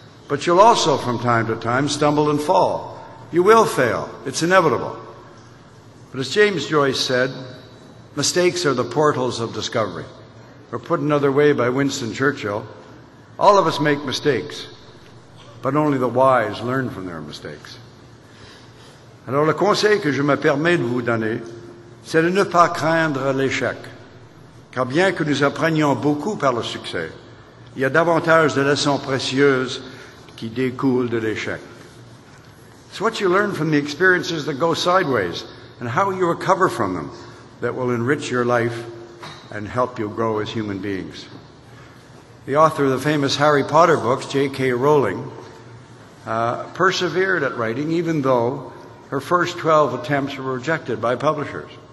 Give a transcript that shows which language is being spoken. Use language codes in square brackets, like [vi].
[en] But you'll also, from time to time, stumble and fall. You will fail. It's inevitable. But as James Joyce said, mistakes are the portals of discovery. Or put another way by Winston Churchill, all of us make mistakes, but only the wise learn from their mistakes. [fr] Alors le conseil que je me permets de vous donner, c'est de ne pas craindre l'échec. Car bien que nous apprenions beaucoup par le succès, il y a davantage de leçons précieuses qui découlent de l'échec. [en] It's what you learn from the experiences that go sideways and how you recover from them that will enrich your life and help you grow as human beings. The author of the famous Harry Potter books, J.K. Rowling, persevered at writing even though her first 12 attempts were rejected by publishers.